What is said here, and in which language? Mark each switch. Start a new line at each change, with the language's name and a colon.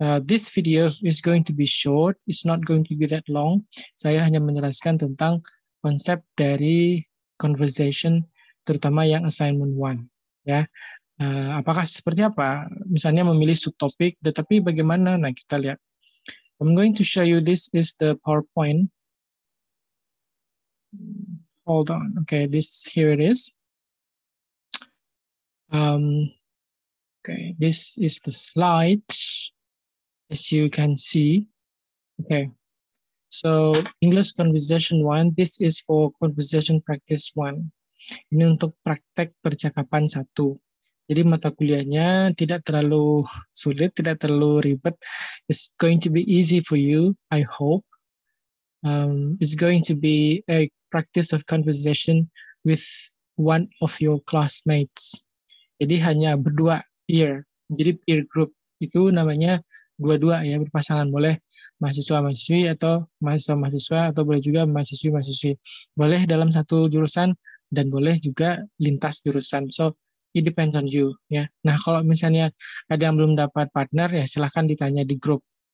English: This video is going to be short. It's not going to be that long.
Indonesian: Saya hanya menjelaskan tentang konsep dari conversation, terutama yang assignment 1. Ya, apakah seperti apa? Misalnya memilih subtopik, tetapi bagaimana? Nah, kita lihat.
English: I'm going to show you this is the PowerPoint. Hold on. Okay, this here it is. Okay, this is the slide. As you can see, okay. So English conversation 1, this is for conversation practice 1.
Indonesian: Ini untuk praktek percakapan 1. Jadi mata kuliahnya tidak terlalu sulit, tidak terlalu ribet.
English: It's going to be easy for you, I hope. It's going to be a practice of conversation with one of your classmates.
Indonesian: Jadi hanya berdua peer. Jadi peer group itu namanya dua-dua ya, berpasangan, boleh mahasiswa-mahasiswi atau mahasiswa-mahasiswa atau boleh juga mahasiswi-mahasiswi. Boleh dalam satu jurusan dan boleh juga lintas jurusan. So, it depends on you ya. Nah, kalau misalnya ada yang belum dapat partner ya silahkan ditanya di grup.